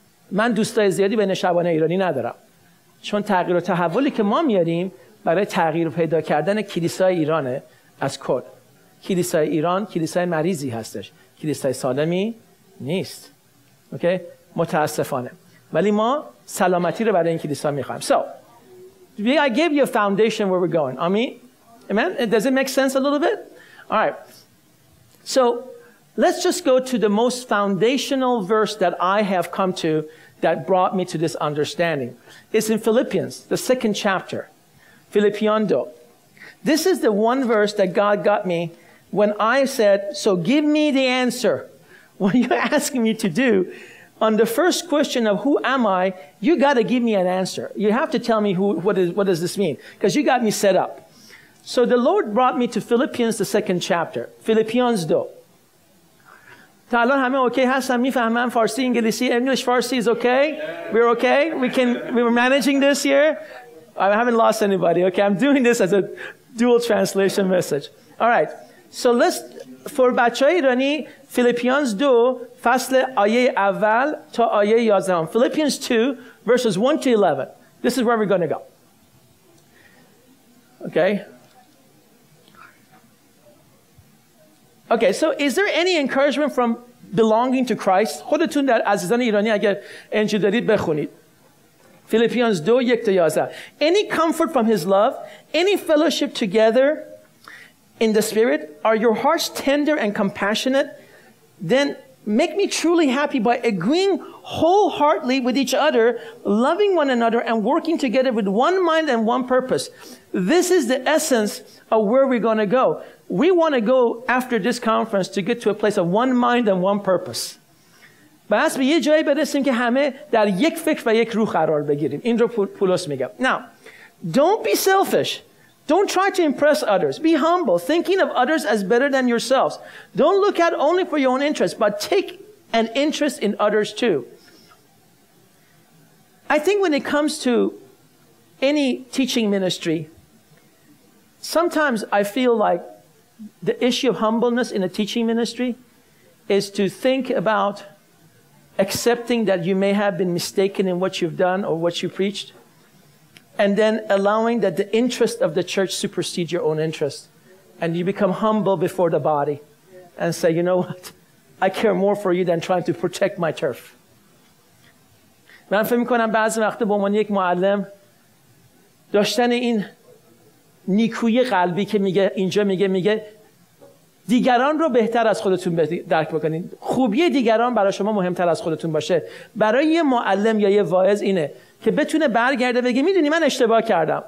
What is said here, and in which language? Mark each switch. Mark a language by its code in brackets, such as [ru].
[fa] من دوستای زیادی بین شبانه ایرانی ندارم. چون تغییر و تحولی که ما میاریم برای تغییر پیدا کردن کلیسای ایرانه از کل. کلیسای ایران کلیسای مریضی هستش. کلیسای سالمی نیست. اوکی؟ متاسفانه. ولی ما سلامتی رو برای این کلیسا میخوایم. [en] So, I gave you a foundation where we're going. Amen? Does it make sense a little bit? All right. So, let's just go to the most foundational verse that I have come to that brought me to this understanding. It's in Philippians, the second chapter. Filipiando. This is the one verse that God got me when I said, so give me the answer. What are you asking me to do? On the first question of who am I, you got to give me an answer. You have to tell me what does this mean? Because you got me set up. So the Lord brought me to Philippians, the second chapter. Philippians do. [fa] تا الان همه اوکی هستم؟ میفهمم فارسی، انگلیسی، انگلیش فارسی [en] is okay? We're okay? We're managing this here? I haven't lost anybody, okay? I'm doing this as a dual translation message. All right. So let's, for [fa] بچه ایرانی, Philippians 2, فصل آیه اول تا آیه 11. [en] Philippians 2, verses 1 to 11. This is where we're going to go. Okay. Okay, so is there any encouragement from belonging to Christ? [fa] خودتون در عزیزان ایرانی اگر انجیل دارید بخونید. [en] Philippians 2, 1 to 11. Any comfort from his love? Any fellowship together? In the spirit, are your hearts tender and compassionate? Then Make me truly happy by agreeing wholeheartedly with each other, loving one another, and working together with one mind and one purpose. This is the essence of where we're going to go. We want to go after this conference to get to a place of one mind and one purpose. [fa] بس به یه جایی برسیم که همه در یک فکر و یک روح قرار بگیریم. این رو پولس میگه. [en] Now, don't be selfish. Don't try to impress others. Be humble, thinking of others as better than yourselves. Don't look out only for your own interests, but take an interest in others too. I think when it comes to any teaching ministry, sometimes I feel like the issue of humbleness in a teaching ministry is to think about accepting that you may have been mistaken in what you've done or what you preached, and then allowing that the interest of the church supersedes your own interest, and you become humble before the body and say, you know what? I care more for you than trying to protect my turf. [fa] من فهم می‌کنم بعضی وقتا با من یک معلم داشتن این نیکوی قلبی که میگه اینجا میگه دیگران رو بهتر از خودتون درک بکنین. خوبی دیگران برای شما مهمتر از خودتون باشه. برای یه معلم یا یه واعظ اینه که بتونه برگرده بگه میدونی من اشتباه کردم.